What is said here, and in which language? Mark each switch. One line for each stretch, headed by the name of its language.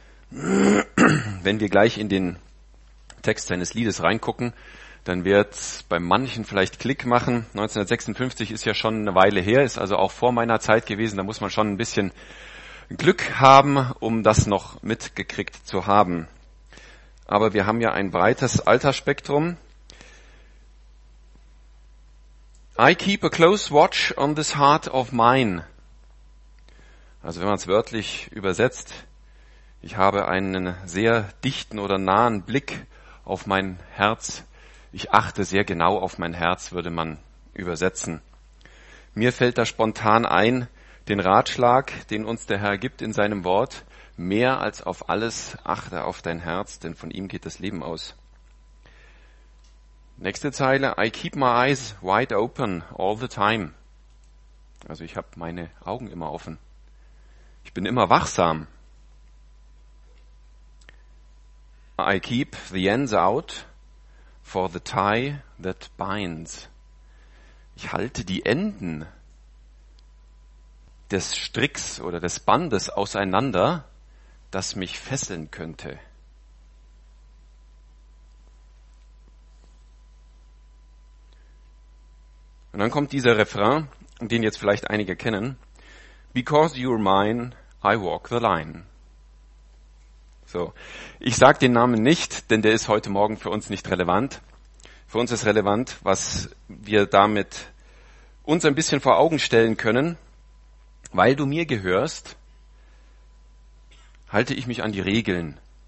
German: Wenn wir gleich in den Text seines Liedes reingucken, dann wird es bei manchen vielleicht Klick machen. 1956 ist ja schon eine Weile her, ist also auch vor meiner Zeit gewesen. Da muss man schon ein bisschen Glück haben, um das noch mitgekriegt zu haben. Aber wir haben ja ein breites Altersspektrum.
English: I keep a close watch on this heart of mine.
German: Also wenn man es wörtlich übersetzt, ich habe einen sehr dichten oder nahen Blick auf mein Herz. Ich achte sehr genau auf mein Herz, würde man übersetzen. Mir fällt da spontan ein, den Ratschlag, den uns der Herr gibt in seinem Wort, mehr als auf alles achte auf dein Herz, denn von ihm geht das Leben aus. Nächste Zeile,
English: I keep my eyes wide open all the time.
German: Also ich habe meine Augen immer offen. Ich bin immer wachsam.
English: I keep the ends out for the tie that binds.
German: Ich halte die Enden des Stricks oder des Bandes auseinander, das mich fesseln könnte. Und dann kommt dieser Refrain, den jetzt vielleicht einige kennen.
English: Because you're mine, I walk the line.
German: So, ich sage den Namen nicht, denn der ist heute Morgen für uns nicht relevant. Für uns ist relevant, was wir damit uns ein bisschen vor Augen stellen können. Weil du mir gehörst, halte ich mich an die Regeln.